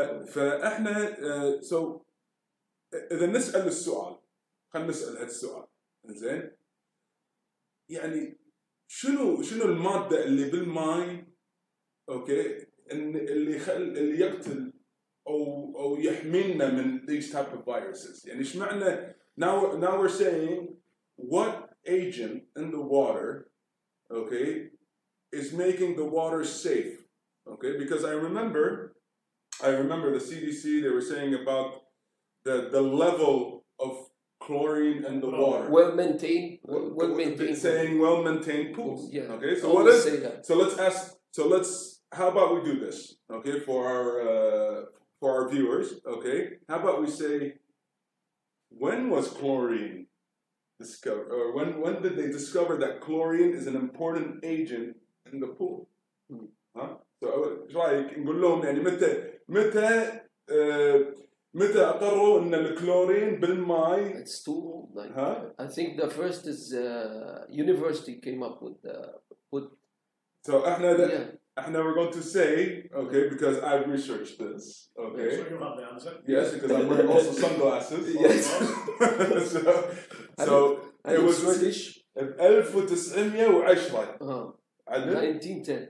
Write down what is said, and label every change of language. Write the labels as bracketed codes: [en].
[ar] فاحنا سو اذا نسأل السؤال، خلينا نسأل هذا السؤال زين، يعني شنو المادة اللي بالماي، أوكي، إن اللي خل اللي يقتل أو يحمينا من [en] these type of viruses؟ [ar] يعني إيش معنى [en] now we're saying what agent in the water, okay, is making the water safe, okay? Because I remember the CDC, they were saying about the level of chlorine and the water. Well maintained. Saying well maintained pools. Yeah. Okay. So what is? So let's ask. So let's. How about we do this? Okay. For our viewers. Okay. How about we say, when was chlorine discovered, or when did they discover that chlorine is an important agent in the pool? So like, [ar] نقول لهم يعني متى. متى قرروا ان الكلورين بالماء؟ [en] It's too old. I think the first is university came up with put. So [ar] احنا احنا [en] we're going to say, okay, because I've researched this. Okay. Yes, because I'm wearing also sunglasses. Yes. so it was British. 1910.